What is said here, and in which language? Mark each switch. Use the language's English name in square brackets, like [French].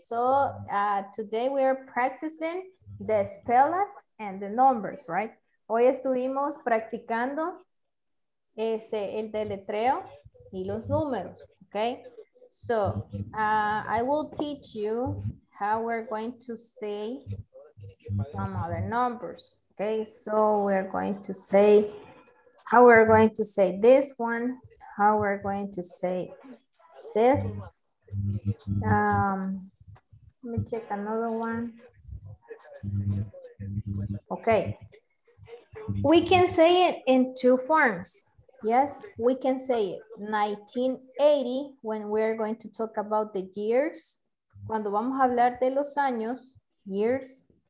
[English] So today we are practicing the spelling and the numbers, right? [Spanish] Hoy estuvimos practicando el deletreo y los números, okay? [English] So I will teach you how we're going to say some other numbers, okay? So we're going to say how we're going to say this one, how we're going to say this, let me check another one. Okay. We can say it in two forms. Yes, we can say it. 1980, when we're going to talk about the years. [Spanish] Cuando vamos a hablar de los años, years.